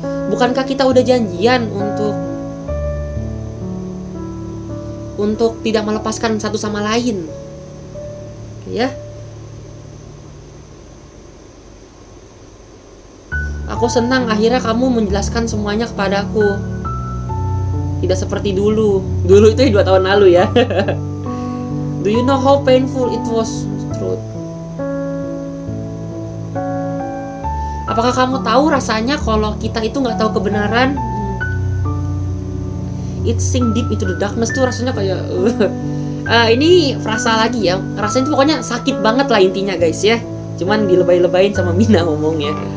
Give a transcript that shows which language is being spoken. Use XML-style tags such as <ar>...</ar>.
<id>Bukankah kita udah janjian untuk tidak melepaskan satu sama lain? Ya. Aku senang akhirnya kamu menjelaskan semuanya kepadaku. Tidak seperti dulu. Dulu itu 2 tahun lalu ya.</id> <en>Do you know how painful it was, Truth?</en> <id>Apakah kamu tahu rasanya kalau kita itu gak tahu kebenaran?</id> <en>It sink deep into the darkness</en> <id>tuh rasanya kayak... ini frasa lagi ya. Rasanya itu pokoknya sakit banget lah intinya guys ya. Cuman dilebay-lebayin sama Mina ngomongnya.</id>